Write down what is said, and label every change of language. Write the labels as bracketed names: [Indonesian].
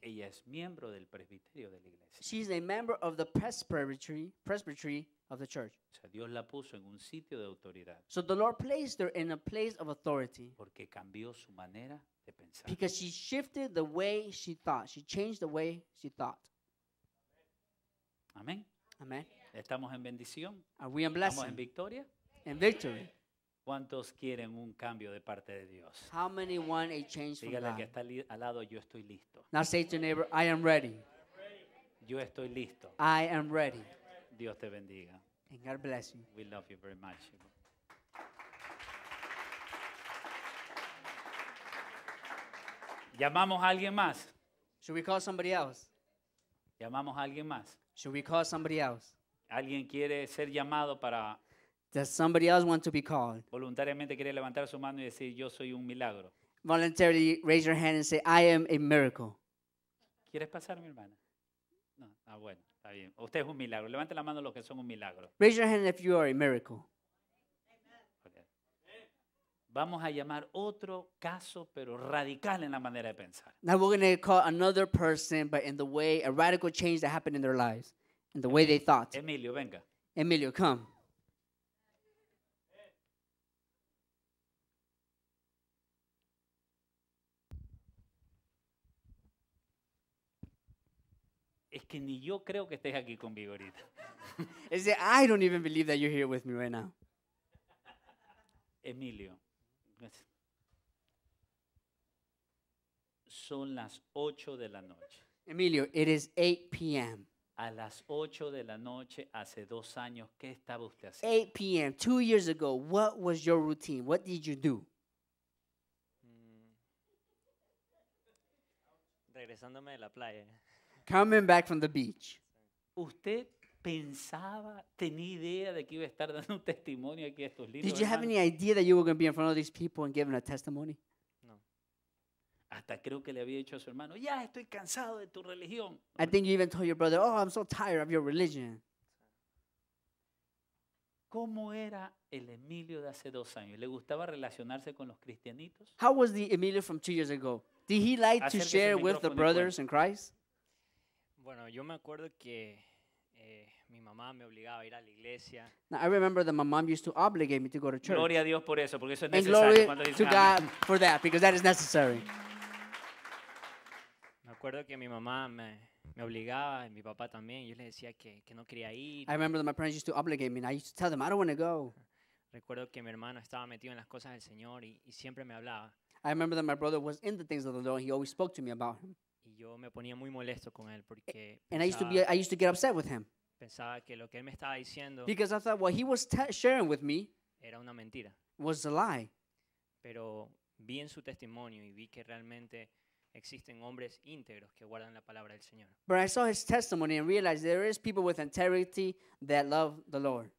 [Spanish] ella es miembro del presbiterio de la iglesia. [English] She's a member of the presbytery of the church. [Spanish] O sea, Dios la puso en un sitio de autoridad. [English] So the Lord placed her in a place of authority. [Spanish] Porque cambió su manera de pensar. [English] Because she shifted the way she thought. She changed the way she thought. [Spanish] Amén. Amén. Estamos en bendición. [English] Are we in blessing? [Spanish] Estamos en victoria. [English] In victory. [Spanish] ¿Cuántos quieren un cambio de parte de Dios? [English] How many want a change from God? [Spanish] Dígale que está al lado, yo estoy listo. [English] Now say to your neighbor, I am ready. [Spanish] Yo estoy listo. [English] I am ready. [Spanish] Dios te bendiga. [English] And God bless you. We love you very much. [Spanish] ¿Llamamos a alguien más? [English] Should we call somebody else? [Spanish] ¿Llamamos a alguien más? [English] Should we call somebody else? [Spanish] ¿Alguien quiere ser llamado para? [English] Does somebody else want to be called? [Spanish] Voluntariamente quiere levantar su mano y decir, yo soy un milagro. [English] Voluntarily raise your hand and say, I am a miracle. [Spanish] ¿Quieres pasar, mi hermana? No, ah, bueno, está bien. Usted es un milagro. Levante la mano los que son un milagro. [English] Raise your hand if you are a miracle. Okay. [Spanish] Vamos a llamar otro caso, pero radical en la manera de pensar. [English] Now we're going to call another person, but in the way a radical change that happened in their lives. And the way they thought. [Spanish] Emilio, venga. [English] Emilio, come. [Spanish] Es que ni yo creo que estés aquí conmigo ahorita. [English] Is it, I don't even believe that you're here with me right now. Emilio. [Spanish] Son las 8 de la noche. [English] Emilio, it is 8 p.m. [Spanish] A las 8 de la noche, hace 2 años, ¿qué estaba usted haciendo? [English] 8 p.m., 2 years ago, what was your routine? What did you do? [Spanish] Regresándome de la playa. [English] Coming back from the beach. [Spanish] ¿Usted pensaba, tenía idea de que iba a estar dando un testimonio aquí a estos lindos? [English] Did you have any idea that you were going to be in front of these people and giving a testimony? [Spanish] Hasta creo que le había dicho a su hermano, ya estoy cansado de tu religión. [English] I think you even told your brother, oh, I'm so tired of your religion. [Spanish] ¿Cómo era el Emilio de hace 2 años? ¿Le gustaba relacionarse con los cristianitos? [English] How was the Emilio from 2 years ago? Did he like to share with the brothers in Christ? [Spanish] Bueno, yo me acuerdo que mi mamá me obligaba a ir a la iglesia. [English] Now, I remember that my mom used to obligate me to go to church. [Spanish] Gloria a Dios por eso, porque eso es [English] and [Spanish] necesario. [English] And glory to God for that, because that is necessary. [Spanish] Recuerdo que mi mamá me obligaba y mi papá también. Yo les decía que no quería ir. [English] I remember that my parents used to obligate me and I used to tell them, I don't want to go. [Spanish] Recuerdo que mi hermano estaba metido en las cosas del Señor y siempre me hablaba. [English] I remember that my brother was in the things of the Lord and he always spoke to me about him. [Spanish] Y yo me ponía muy molesto con él porque [English] I used to get upset with him. [Spanish] Pensaba que lo que él me estaba diciendo, [English] because I thought what he was sharing with me, [Spanish] era una mentira. [English] Was a lie. [Spanish] Pero vi en su testimonio y vi que realmente existen hombres íntegros que guardan la palabra del Señor. [English] But I saw his testimony and realized there is people with integrity that love the Lord.